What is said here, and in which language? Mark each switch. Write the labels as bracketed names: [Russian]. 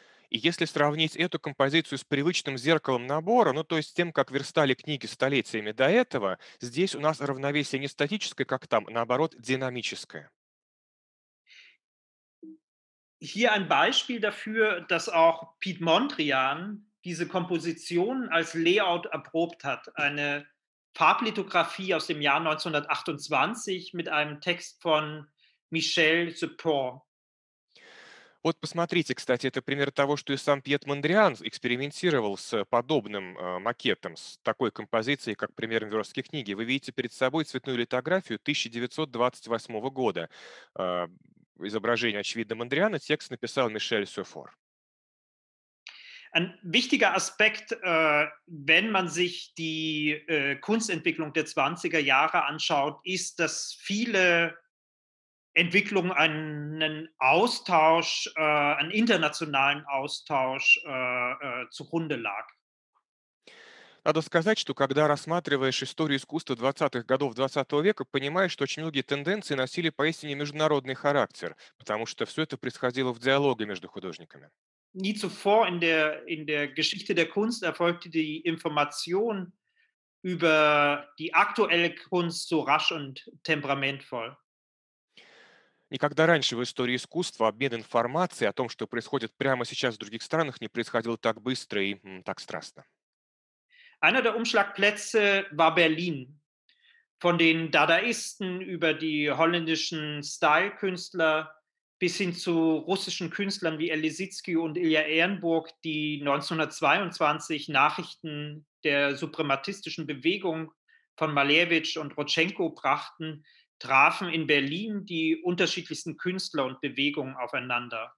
[Russian] И если сравнить эту композицию с привычным зеркалом набора, ну то есть с тем, как верстали книги столетиями до этого, здесь у нас равновесие не статическое, как там, наоборот, динамическое. [German] Hier ein Beispiel dafür, dass auch Piet Mondrian diese Komposition als Layout erprobt hat. Eine Farblithografie aus dem Jahr 1928 mit einem Text von Michel Seppor. [Russian] Вот посмотрите, кстати, это пример того, что и сам Пьет Мондриан экспериментировал с подобным макетом, с такой композицией, как пример верстки книги. Вы видите перед собой цветную литографию 1928 года. Изображение, очевидно, Мондриана, текст написал Мишель Сюфор. [German] Ein wichtiger Aspekt, wenn man sich die Kunstentwicklung der 20er Jahre anschaut, ist, dass viele Entwicklungen einen Austausch, einen internationalen Austausch zugrunde lag. [Russian] Надо сказать, что когда рассматриваешь историю искусства 20-х годов 20 века, понимаешь, что очень многие тенденции носили поистине международный характер, потому что все это происходило в диалоге между художниками. [German] Nie zuvor in der Geschichte der Kunst erfolgte die Information über die aktuelle Kunst so rasch und temperamentvoll. [Russian] Никогда раньше в истории искусства обмен информацией о том, что происходит прямо сейчас в других странах, не происходил так быстро и так страстно. [German] Einer der Umschlagplätze war Berlin. Von den Dadaisten über die holländischen Style-Künstler bis hin zu russischen Künstlern wie Elisitsky und Ilja Ehrenburg, die 1922 Nachrichten der suprematistischen Bewegung von Malevich und Rodchenko brachten, trafen in Berlin die unterschiedlichsten Künstler und Bewegungen aufeinander.